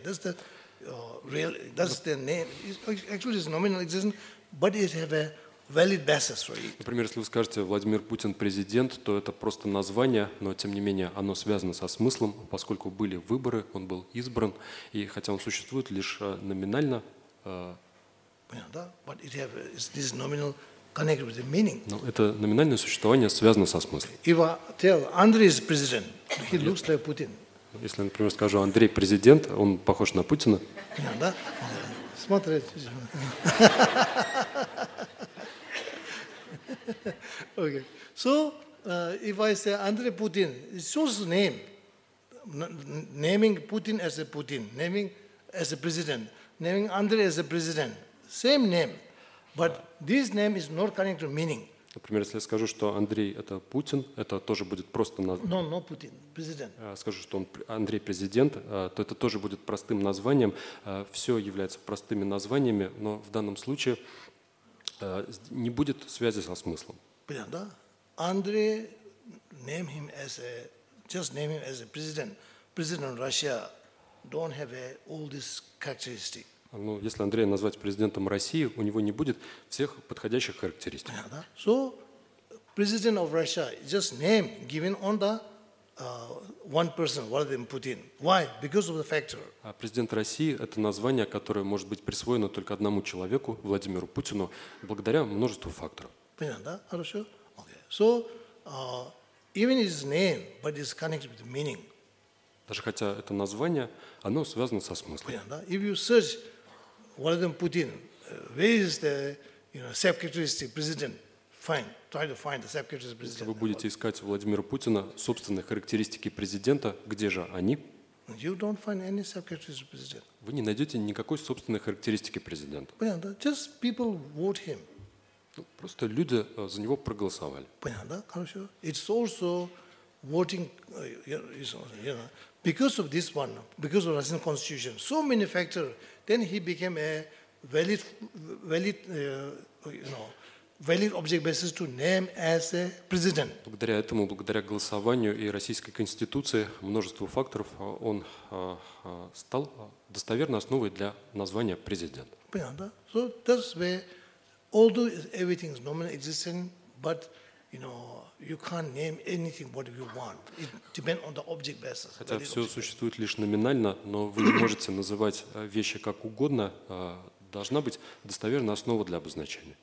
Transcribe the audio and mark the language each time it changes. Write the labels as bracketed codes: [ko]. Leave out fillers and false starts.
[en] That's the real. That's the name. It's actually, it's nominal existence, but it has a valid basis for it. [ru] Например, если вы скажете Владимир Путин президент, то это просто название, но тем не менее оно связано со смыслом, поскольку были выборы, он был избран, и хотя он существует лишь номинально. Понятно, [en] but it has this nominal. Connected with the meaning. [ru] Но это номинальное существование связано со смыслом. [en] If I tell Andrei is president, he looks like Putin. [ru] Если, например, скажу Андрей президент, он похож на Путина. Да? Смотри. [en] Okay. So if I say Andrei Putin, it's just name. Naming Putin as a Putin, naming as a president, naming Andrei as a president, same name. But this name is not connected to meaning. [ru] Например, если я скажу, что Андрей это Путин, это тоже будет просто название. [en] No, no Putin, president. [ru] Скажу, что он Андрей президент, то это тоже будет простым названием. Все является простыми названиями, но в данном случае не будет связи со смыслом. Понятно, да? Андрей, [en] name him as a, just name him as a president. President of Russia don't have all these characteristics. [ru] Ну, если Андрея назвать президентом России, у него не будет всех подходящих характеристик. [en] So, president of Russia, just name given on the one person, one of them put in. Why? Because of the factor. [ru] Президент России – это название, которое может быть присвоено только одному человеку, Владимиру Путину, благодаря множеству факторов. Понятно, да? Хорошо? Okay. [en] So, even his name, but it's connected with meaning. [ru] Даже хотя это название, оно связано со смыслом. Понятно, да? [en] If you search Владимир Путин, where is the, you know, self-characteristic president? Fine. Try to find the self-characteristic president. [ru] Если вы будете искать Владимира Путина собственные характеристики президента, где же они? [en] You don't find any self-characteristic president. [ru] Вы не найдете никакой собственной характеристики президента. Понятно, да? [en] Just people vote him. [ru] Просто люди за него проголосовали. Понятно, да? Хорошо. [en] It's also voting, you know, because of this one, because of Russian constitution, so many factors, then he became a valid object basis to name as a president. [ru] Благодаря этому, благодаря голосованию и российской конституции, множеству факторов, он стал достоверной основой для названия президент. Понятно, да? [en] So that's where, although everything is nominally existing, but you know, you can't name anything what you want. It depends on the object basis. [ru] Хотя все существует лишь номинально, но вы не можете называть вещи как угодно. Должна быть достоверная основа для обозначения.